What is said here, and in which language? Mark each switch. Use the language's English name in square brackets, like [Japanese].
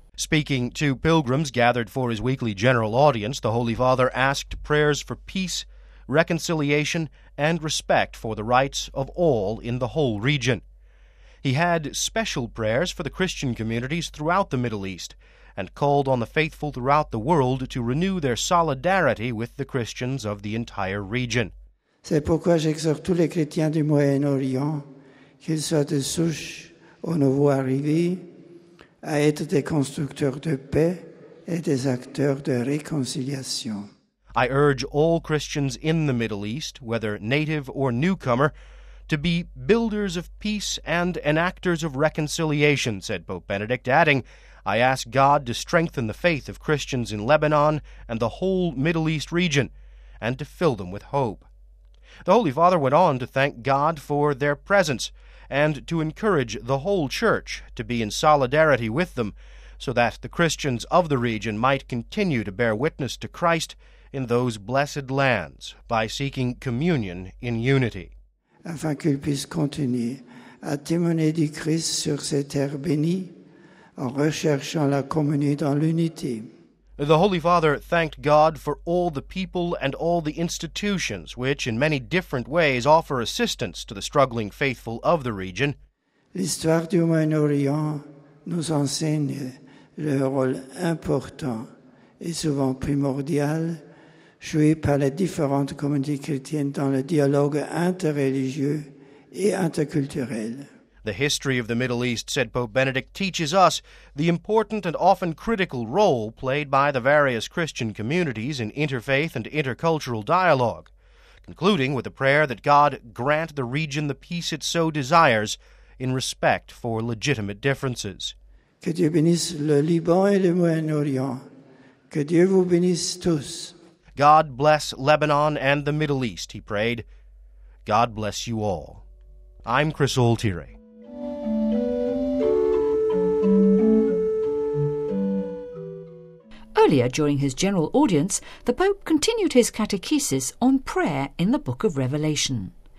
[English] Speaking to pilgrims gathered for his weekly general audience, the Holy Father asked prayers for peace, reconciliation, and respect for the rights of all in the whole region. He had special prayers for the Christian communities throughout the Middle East and called on the faithful throughout the world to renew their solidarity with the Christians of the entire region. [French] C'est pourquoi j'exhorte tous les chrétiens du Moyen-Orient, qu'ils soient de souche ou nouveau arrivés, à être des constructeurs de paix et des acteurs de réconciliation. [English] I urge all Christians in the Middle East, whether native or newcomer, to be builders of peace and enactors of reconciliation, said Pope Benedict, adding, I ask God to strengthen the faith of Christians in Lebanon and the whole Middle East region, and to fill them with hope. The Holy Father went on to thank God for their presence and to encourage the whole Church to be in solidarity with them so that the Christians of the region might continue to bear witness to Christ in those blessed lands by seeking communion in unity. [French] Afin qu'ils puissent continuer à témoigner du Christ sur ces terres bénies, en recherchant la communion dans l'unité. [English] The Holy Father thanked God for all the people and all the institutions which, in many different ways, offer assistance to the struggling faithful of the region. [French] L'histoire du Moyen-Orient nous enseigne le rôle important et souvent primordial joué par les différentes communautés chrétiennes dans le dialogue interreligieux et interculturel. [English] The history of the Middle East, said Pope Benedict, teaches us the important and often critical role played by the various Christian communities in interfaith and intercultural dialogue, concluding with a prayer that God grant the region the peace it so desires in respect for legitimate differences. [French] Que Dieu bénisse le Liban et le Moyen-Orient. Que Dieu vous bénisse tous. [English] God bless Lebanon and the Middle East, he prayed. God bless you all. I'm Chris Altieri. Earlier during his general audience, the Pope continued his catechesis on prayer in the Book of Revelation.